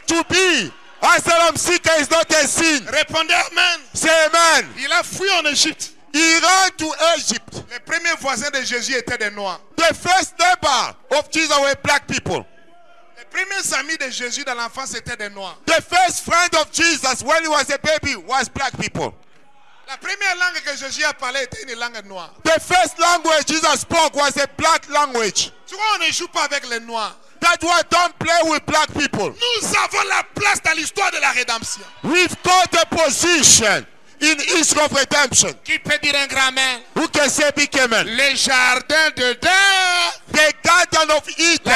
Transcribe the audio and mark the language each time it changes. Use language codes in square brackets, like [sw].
[en] To be asylum seeker is not a sin. [fr] Répondez amen. [en] Say amen. [fr] Il a fui en Égypte. [en] He ran to Egypt. [fr] Les premiers voisins de Jésus étaient des noirs. [en] The first neighbor of Jesus were black people. [fr] Les premiers amis de Jésus dans l'enfance étaient des noirs. [en] The first friend of Jesus when he was a baby was black people. [fr] La première langue que Jésus a parlé était une langue noire. [en] The first language Jesus spoke was a black language. [fr] Tu vois, on ne joue pas avec les noirs. [en] That one don't play with black people. [fr] Nous avons la place dans l'histoire de la rédemption. [en] We've got a position in history of redemption. [fr] Qui peut dire un grand amen? [en] Who can say big amen? [fr] Le jardin de Dieu. [en] The garden of Eden.